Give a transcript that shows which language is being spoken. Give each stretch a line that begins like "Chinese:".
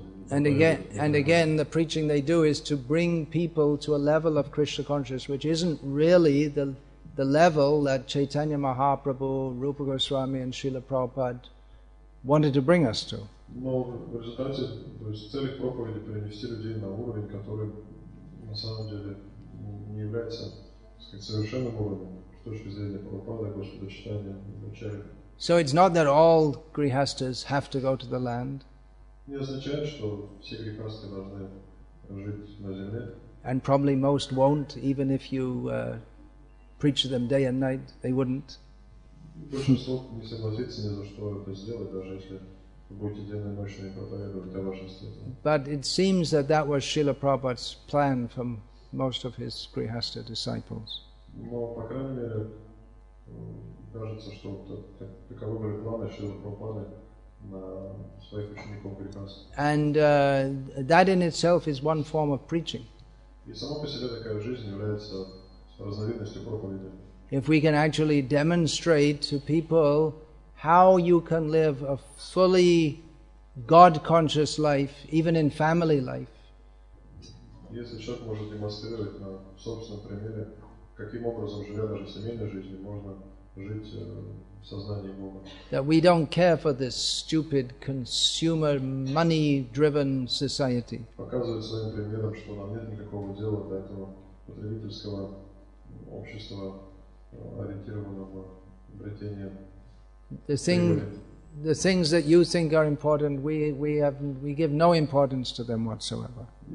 English: And again, the preaching they do is to bring people to a level of Krishna consciousness, which isn't really the level that Chaitanya Mahaprabhu, Rupa Goswami and Srila Prabhupada wanted to bring us to.
Russian: Но в результате, то есть цель их проповеди перенести людей на уровень, который на самом деле не является, так сказать, совершенным уровнем с точки зрения Прабхупады, Господа Чайтанья, Бхачари.
English: So it's not that all grihasthas have to go to the land.
Russian: Не означает, что все грихасты должны жить на земле.
English: And probably most won't, even if you preach to them day and night, they wouldn't. But it seems that was Srila Prabhupada's plan from most of his Grihastha disciples.
Russian: Но, по крайней мере, кажется, что таковы были планы Шрилы Прабхупады на своих учеников Грихастхи.
English: And that in itself is one form of preaching.
Russian: И само по себе такая жизнь является разновидностью проповеди.
English: If we can actually demonstrate to people how you can live a fully God-conscious life, even in family life.
Russian: Если человек может демонстрировать на собственном примере, каким образом, живя даже семейной жизнью, можно жить в сознании Бога.
English: That we don't care for this stupid consumer money-driven society.
Russian: Показывает своим примером, что нам нет никакого дела до этого потребительского общества, ориентированного на обретение.
English: The things that you think are important, we give no importance to them whatsoever.